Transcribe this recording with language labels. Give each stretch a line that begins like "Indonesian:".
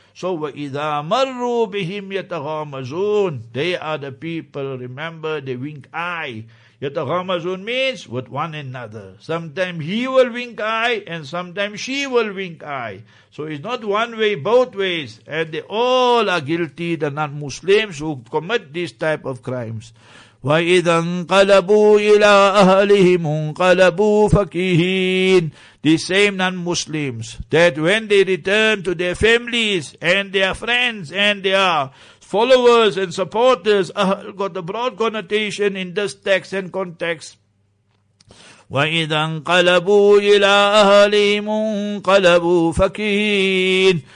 English: So
Arabic: وَإِذَا مَرُّوا بِهِمْ يَتَغَامَزُونَ
English: They are the people, remember, they wink eye. يَتَغَامَزُونَ means with one another. Sometimes he will wink eye and sometimes she will wink eye. So it's not one way, both ways. And they all are guilty, the non-Muslims who commit these type of crimes.
Arabic: وإذا انقلبوا إلى أهلهم انقلبوا فكهين.
English: These same non-Muslims, that when they return to their families and their friends and their followers and supporters, got the broad connotation in this text and context.
Arabic: وَإِذَا انْقَلَبُوا إِلَىٰ أَهَلِهِمُ انْقَلَبُوا فَكِهِينَ.